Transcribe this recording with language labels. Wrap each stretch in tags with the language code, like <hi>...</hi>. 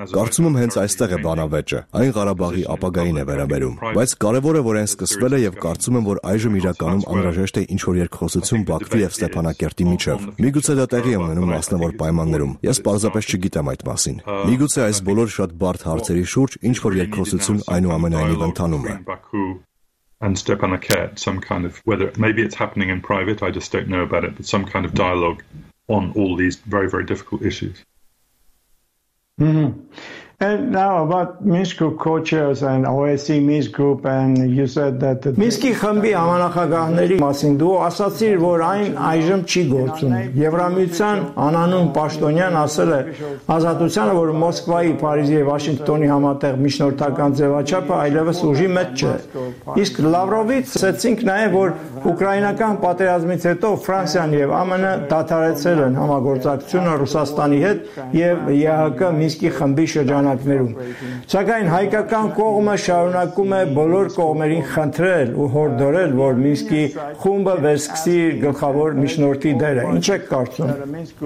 <hy>Կարծում եմ, հենց այստեղ է բանավեճը, այն Ղարաբաղի ապագային է վերաբերում, բայց կարևորը, որ այն սկսվել է, եւ կարծում եմ, որ այժմ իրականում անհրաժեշտ է ինչ-որ երկխոսություն Բաքվի եւ Ստեփանակերտի միջեւ։ Միգուցե դա տեղի ունենում մասնավոր պայմաններում, ես պարզապես չգիտեմ այդ մասին։ Միգուցե այս բոլոր շատ բարդ հարցերի շուրջ ինչ-որ երկխոսություն այնուամենայնիվ ընթանում է։</hy> <en>And Stepanakert, some kind of, whether maybe it's happening in private, I just don't know about it, but some kind of dialogue on all these very, very difficult issues. Mm-hmm. And now about Minsk Group co-chairs and OSCE Minsk Group, and you said that...</en> <hy>Minsk-ի խմբի համանախագահների մասին դու ասացիր, որ այն այժմ չի գործում։ Եվրամիության անանուն պաշտոնյան ասել է ազատությանը, որ Մոսկվայի, Փարիզի եւ Վաշինգտոնի համատեղ միջնորդական ձևաչափը այլևս ուժի մեջ չէ։ Իսկ Լավրովից ասացինք նաեւ, որ ուկրաինական պատերազմից հետո Ֆրանսիան եւ ԱՄՆ դադարեցել են համագործակցությունը Ռուսաստանի հետ եւ ԵՀԿ Մինսկի խմբի շրջանակում։ Սակայն հայկական կողմը շարունակում է բոլոր կողմերին խնդրել ու հորդորել, որ Մինսկի խումբը վերսկսի գլխավոր միջնորդի դերը։ Ինչ եք կարծում։</hy>